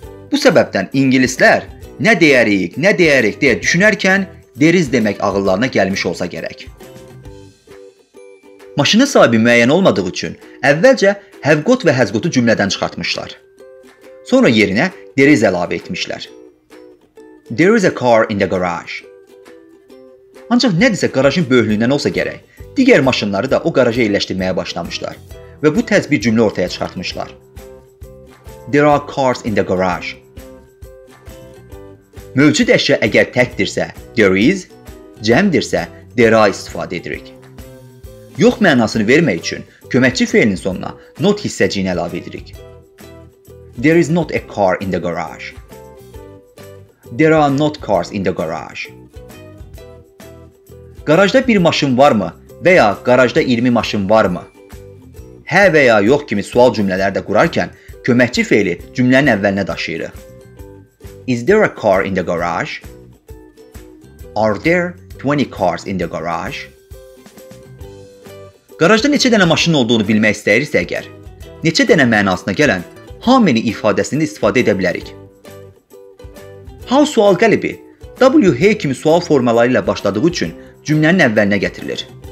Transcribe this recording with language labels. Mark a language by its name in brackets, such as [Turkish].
[Azerbaijani] Bu səbəbdən ingilislər nə deyərik, nə deyərik deyə düşünərkən deriz demək ağıllarına gəlmiş olsa gərək. Maşının sahibi müəyyən olmadığı üçün əvvəlcə have got və has got-u cümlədən çıxartmışlar. Sonra yerinə there is əlavə etmişlər. [English] There is a car in the garage. [Azerbaijani] Ancaq nədirsə qarajın böyüklüyündən olsa gərək, digər maşınları da o qaraja yerləşdirməyə başlamışlar və bu tərz bir cümlə ortaya çıxartmışlar. [English] There are cars in the garage. [Azerbaijani] Mövcud əşya əgər təkdirsə there is, cəmdirsə there are istifadə edirik. Yox mənasını vermək üçün köməkçi feylinin sonuna not hissəciyini əlavə edirik. [English] There is not a car in the garage. There are not cars in the garage. [Azerbaijani] Qarajda bir maşın varmı və ya qarajda 20 maşın varmı? Hə və ya yox kimi sual cümlələrdə qurarkən köməkçi feyli cümlənin əvvəlinə daşıyırıq. [English] Is there a car in the garage? Are there 20 cars in the garage? [Azerbaijani] Qarajda neçə dənə maşın olduğunu bilmək istəyirsə əgər, neçə dənə mənasına gələn how many ifadəsini istifadə edə bilərik. How sual qəlibi WH kimi sual formaları ilə başladığı üçün cümlənin əvvəlinə gətirilir.